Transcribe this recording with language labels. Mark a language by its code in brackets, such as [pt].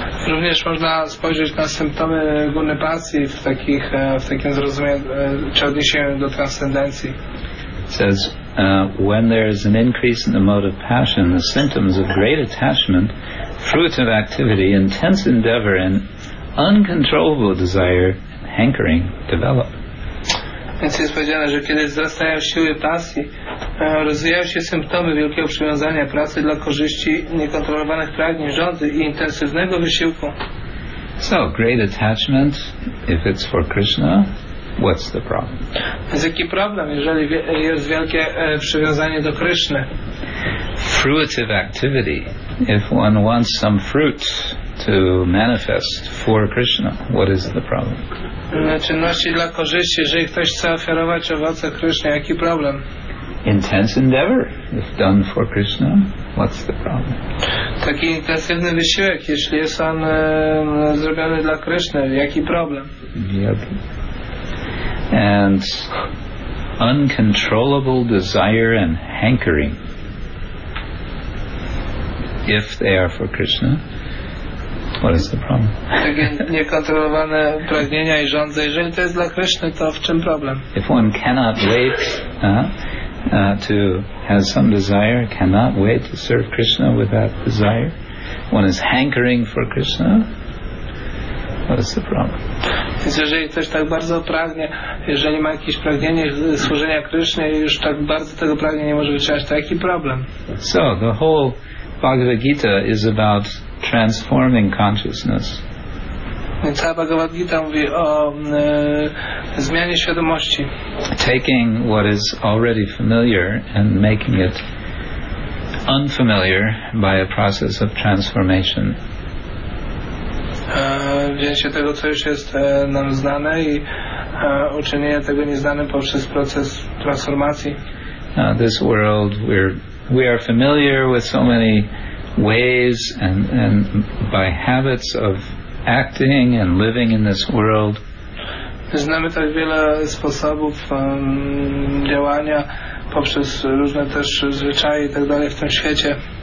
[pl] Również można spojrzeć na symptomy guny pasji w takim zrozumieniu, czy odniesieniu do transcendencji. [en] It says, when there is an increase in the mode of passion, the symptoms of great attachment, fruit of activity, intense endeavor, and uncontrollable desire and hankering develop. [pl] Więc jest powiedziane, że kiedy wzrastają siły pasji, rozwijają się symptomy wielkiego przywiązania pracy dla korzyści, niekontrolowanych pragnień, żądzy i intensywnego wysiłku. [en] So, great attachment, if it's for Krishna, what's the problem? [pl] Więc jaki problem, jeżeli jest wielkie przywiązanie do Kryszny? [en] Fruitive activity, if one wants some fruit to manifest for Krishna, what is the problem? [pl] Czynności dla korzyści, jeżeli ktoś chce ofiarować owoce Krishna, jaki problem? [en] Intense endeavor, if done for Krishna, what's the problem? [pl] Taki intensywny wysiłek, jeśli jest on zrobiony dla Krishna, jaki problem? [en] Yogi. And uncontrollable desire and hankering, if they are for Krishna, what is the problem? [pl] Niekontrolowane pragnienia i żądze, jeżeli to jest dla Krishna, to w czym problem? [en] If one cannot wait to have some desire, cannot wait to serve Krishna with that desire, one is hankering for Krishna, what is the problem? [pl] Więc jeżeli ktoś tak bardzo pragnie, jeżeli ma jakieś pragnienie służenia Krishna i już tak bardzo tego pragnie, nie może wyciągnąć, to jaki problem? [en] So, the whole Bhagavad Gita is about transforming consciousness. [pl] Cała Bhagavad Gita mówi o zmianie świadomości. [en] Taking what is already familiar and making it unfamiliar by a process of transformation. [pl] Wzięcie tego, co już jest nam znane i uczynienie tego nieznanym poprzez proces transformacji. [en] This world, we are familiar with so many ways and by habits of acting and living in this world. [pl] Znamy tak wiele sposobów działania poprzez różne też zwyczaje i tak dalej w tym świecie.